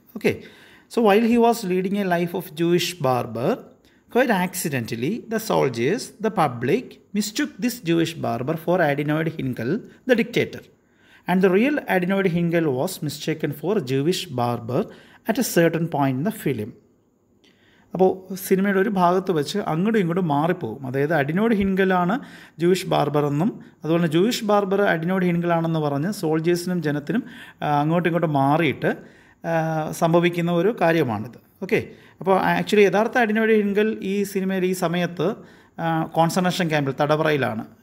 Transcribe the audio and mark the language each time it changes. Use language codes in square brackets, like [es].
[en] Okay, so while he was leading a life of Jewish barber, quite accidentally the soldiers the public mistook this Jewish barber for Adenoid Hynkel the dictator. And the real adenoid Hingel was mistaken for a Jewish barber at a certain point in the film. [ml] അപ്പോൾ സിനിമയുടെ ഒരു ഭാഗത്ത് വെച്ച് അങ്ങോട്ടും ഇങ്ങോട്ടും മാറിപ്പോകും. അതായത് adenoid ഹിൻഗലാണ് Jewish ബാർബറെന്നും അതുപോലെ തന്നെ ജൂയിഷ് ബാർബർ അഡിനോയിഡ് ഹിൻഗലാണെന്ന് പറഞ്ഞ് സോൾജേഴ്സിനും ജനത്തിനും അങ്ങോട്ടും ഇങ്ങോട്ടും മാറിയിട്ട് സംഭവിക്കുന്ന ഒരു കാര്യമാണിത്. ഓക്കെ, അപ്പോൾ ആക്ച്വലി യഥാർത്ഥ അഡിനോയിഡ് ഹിൻഗൽ ഈ സിനിമയിൽ ഈ സമയത്ത് കോൺസൺട്രേഷൻ ക്യാമ്പിൽ തടവറയിലാണ്.